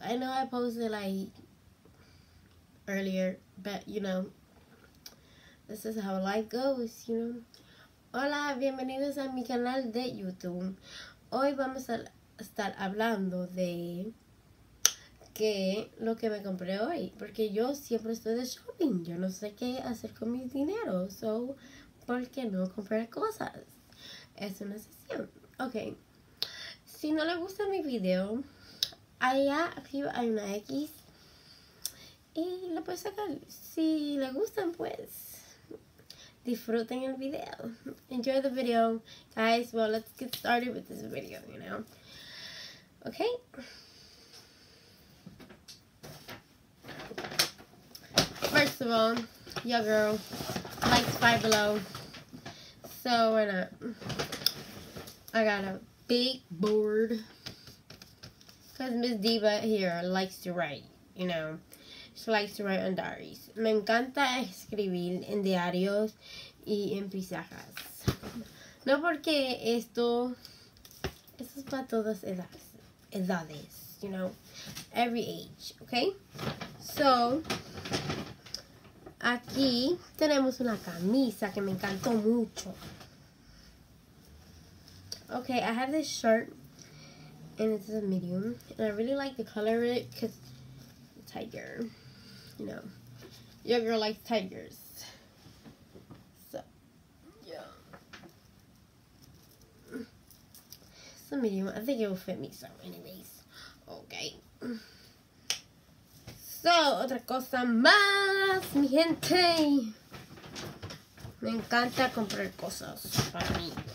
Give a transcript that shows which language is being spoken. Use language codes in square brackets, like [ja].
[en] I know I posted like earlier, but you know, this is how life goes, you know. [es] Hola, bienvenidos a mi canal de YouTube. Hoy vamos a estar hablando de que lo que me compré hoy, porque yo siempre estoy de shopping, yo no sé qué hacer con mi dinero, so ¿por qué no comprar cosas? Es una sesión. Ok. Si no le gusta mi video, allá arriba hay una X. Y la puedes sacar. Si le gustan, pues disfruten el video. [en] Enjoy the video. Guys, well, let's get started with this video, you know. Ok. First of all, your girl likes Five Below. So, why not? I got a big board, because Miss Diva here likes to write, you know. She likes to write on diaries. [es] Me encanta escribir en diarios y en pizarras. No porque esto es para todas edades, [en] you know. Every age, okay? [es] So, aquí tenemos una camisa que me encantó mucho. [en] Okay, I have this shirt, and it's a medium, and I really like the color of it, because tiger, you know, your girl likes tigers, so, yeah, it's a medium, I think it will fit me, so, anyways, okay, so, [es] otra cosa más, mi gente, me encanta comprar cosas para mí.